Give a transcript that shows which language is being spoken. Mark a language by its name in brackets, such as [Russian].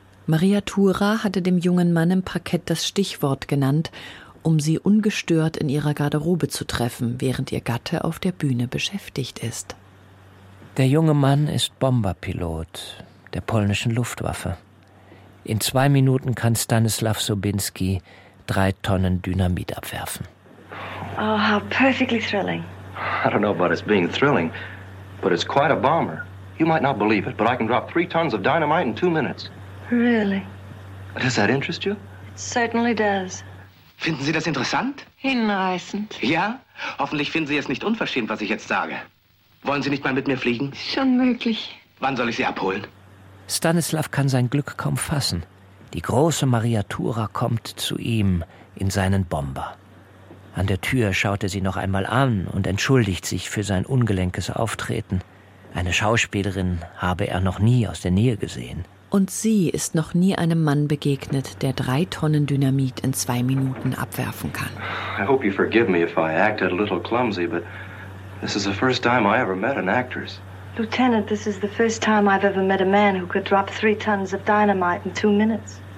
[German] Maria Thura hatte dem jungen Mann im Parkett das Stichwort genannt, um sie ungestört in ihrer Garderobe zu treffen, während ihr Gatte auf der Bühne beschäftigt ist. Der junge Mann ist Bomberpilot der polnischen Luftwaffe. In 2 Minuten kann Stanislaw Sobinski 3 Tonnen Dynamit abwerfen. [English] Oh, how perfectly thrilling. I don't know about it being thrilling, but it's quite a bomber. You might not believe it, but I can drop 3 tons of dynamite in 2 minutes. Really? Does that interest you? It certainly does. [German] Finden Sie das interessant? Hinreißend. Ja, hoffentlich finden Sie es nicht unverschämt, was ich jetzt sage. Wollen Sie nicht mal mit mir fliegen? Schon möglich. Wann soll ich Sie abholen? Stanislaw kann sein Glück kaum fassen. Die große Maria Thura kommt zu ihm in seinen Bomber. An der Tür schaut er sie noch einmal an und entschuldigt sich für sein ungelenkes Auftreten. Eine Schauspielerin habe er noch nie aus der Nähe gesehen. Und sie ist noch nie einem Mann begegnet, der 3 Tonnen Dynamit in 2 Minuten abwerfen kann. [English] I hope you forgive me if I acted a little clumsy, but this is the first time I ever met an actress. Lieutenant, this is the first time I've ever met a man who could drop 3 tons of dynamite in 2 minutes.